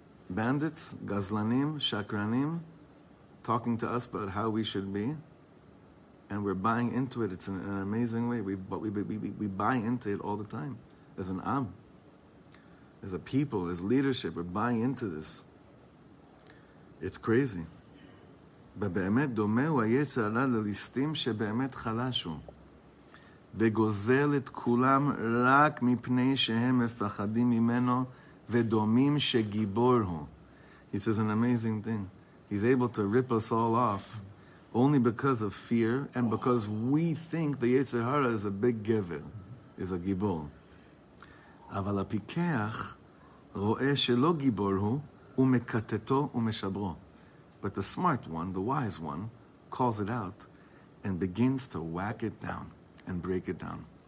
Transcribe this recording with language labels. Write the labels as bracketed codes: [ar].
[en] Bandits, Gazlanim, Shakranim, talking to us about how we should be. And we're buying into it. It's an amazing way. But we buy into it all the time. As an Am. As a people, as leadership, we're buying into this. It's crazy. [he] ובאמת דומה הוא היצר הרע לליסטים שבאמת חלשו וגוזל את כולם רק מפני שהם מפחדים ממנו ודומים שגיבור הוא. [en] He says an amazing thing. He's able to rip us all off only because of fear and because we think the Yetzer Hara is a big giver, is a gibor. [he] Aval apikeach ro'eh shelo gibor hu umekateto umeshabro. [en] But the smart one, the wise one, calls it out and begins to whack it down and break it down.